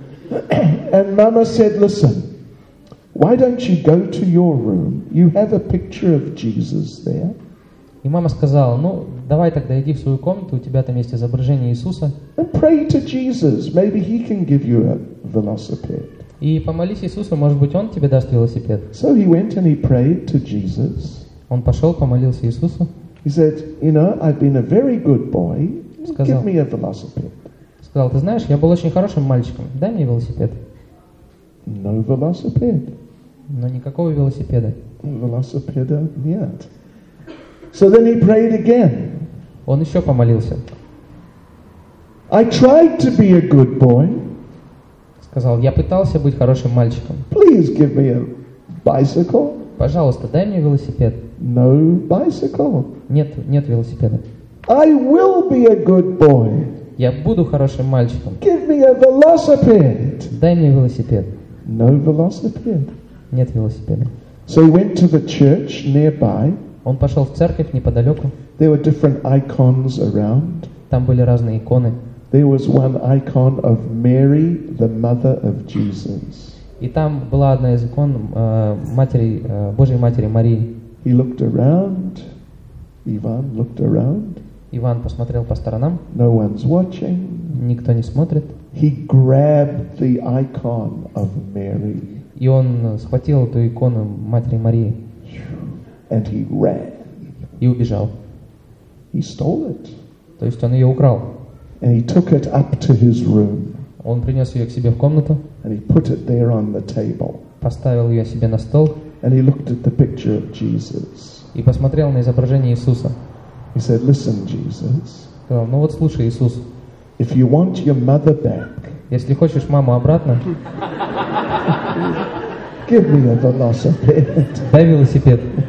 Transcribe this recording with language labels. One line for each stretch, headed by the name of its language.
English: And Mama said, "Listen, why don't you go to your room? You have a picture of Jesus there."
Russian: И мама сказала: "Ну, давай тогда иди в свою комнату, у тебя там есть изображение Иисуса."
English: And pray to Jesus, maybe he can give you a velociped.
Russian: И помолись Иисусу, может быть, он тебе даст велосипед.
English: So he went and he prayed to Jesus.
Russian: Он пошел, помолился Иисусу.
English: He said, "You know, I've been a very good boy. Give me a velociped."
Russian: Сказал: "Ты знаешь, я был очень хорошим мальчиком. Дай мне велосипед."
English: No velociped.
Russian: Но никакого велосипеда. Велосипеда нет.
English: So then he prayed again.
Russian: Он еще помолился.
English: I tried to be a good boy.
Russian: Сказал: "Я пытался быть хорошим мальчиком."
English: Please give me a bicycle.
Russian: Пожалуйста, дай мне велосипед.
English: No bicycle.
Russian: Нет велосипеда.
English: I will be a good boy.
Russian: Я буду хорошим мальчиком.
English: Give me a velociped.
Russian: Дай мне велосипед.
English: No velociped.
Russian: Нет велосипеда.
English: So he went to the church nearby.
Russian: Он пошел в церковь неподалеку.
English: There were different icons around.
Russian: Там были разные иконы.
English: There was one icon of Mary, the mother of Jesus.
Russian: И там была одна из икон матери, Божьей Матери Марии.
English: He looked around. Иван looked around.
Russian: Иван посмотрел по сторонам.
English: No one's watching.
Russian: Никто не смотрит.
English: He grabbed the icon of Mary.
Russian: И он схватил эту икону Матери Марии.
English: And he ran.
Russian: И убежал.
English: He stole it.
Russian: То есть он ее украл.
English: And he took it up to his room.
Russian: Он принес ее к себе в комнату.
English: And he put it there on the table.
Russian: Поставил ее себе на стол.
English: And he looked at the picture of Jesus.
Russian: И посмотрел на изображение Иисуса.
English: He said, "Listen, Jesus."
Russian: Сказал: "Ну вот слушай, Иисус."
English: If you want your mother back.
Russian: Если хочешь маму обратно.
English: Give me a velociped.
Russian: Дай велосипед.